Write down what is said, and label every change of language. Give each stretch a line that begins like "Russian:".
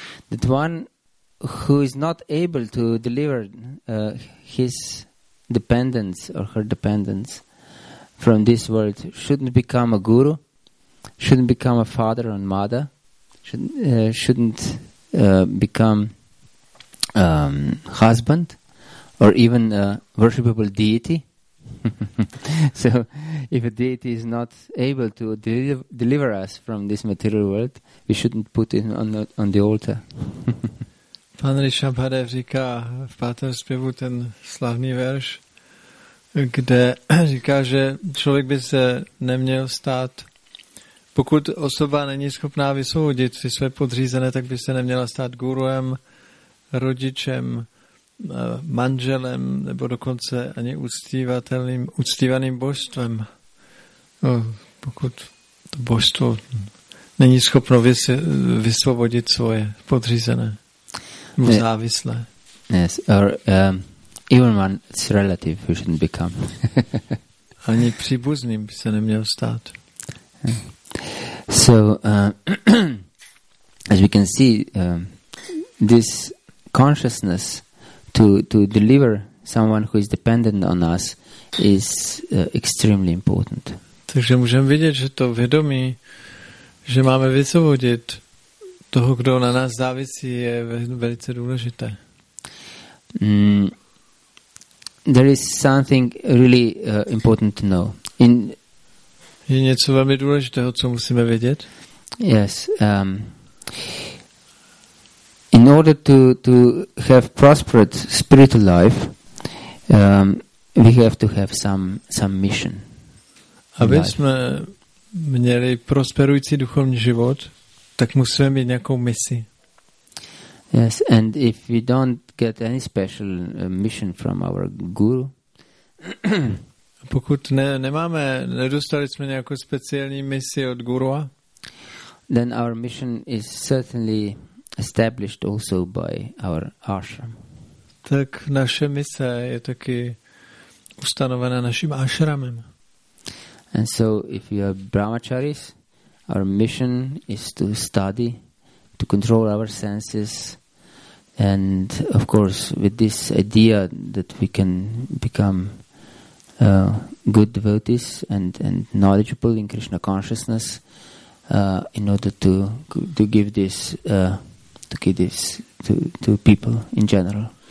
English: That one who is not able to deliver his dependence or her dependence from this world shouldn't become a guru, shouldn't become a father and mother, shouldn't become husband, or even a worshipable deity. So, if a deity is not able to deliver us from this material world, we shouldn't put it on the altar.
Czech: Pan Rishabhadev říká v pátém zpěvu ten slavný verš, kde říká, že člověk by se neměl stát, pokud osoba není schopná vysoudit ty své podřízené, tak by se neměla stát guruem, rodičem, manželem, nebo dokonce ani uctívaným božstvem. No, pokud to božstvo není schopno vysvobodit svoje podřízené, mu závislé.
English: Yes, or even one's relative who shouldn't become.
Czech: Ani příbuzným by se neměl stát.
English: So, as we can see, this consciousness to deliver someone who is dependent on us is extremely important.
Czech: Takže můžeme vidět, že to vědomí, že máme vysvobodit toho, kdo na nás závisí, je velice důležité.
English: There is something really important to know.
Czech: Je něco velmi důležitého, co musíme vědět?
English: Yes. In order to have prosperous spiritual life, we have to have some mission.
Czech: Aby jsme měli prosperující duchovní život, tak musíme mít nějakou misi.
English: Yes, and if we don't get any special mission from our guru,
Czech: pokud nedostali jsme nějakou speciální misi od gurua,
English: then our mission is certainly established also by our ashram.
Czech: Tak naše mise je taky ustanovena naším ashramem.
English: And so if you are brahmacharis, our mission is to study, to control our senses, and of course with this idea that we can become good devotees and knowledgeable in Krishna consciousness in order to give this to kids, to people in general.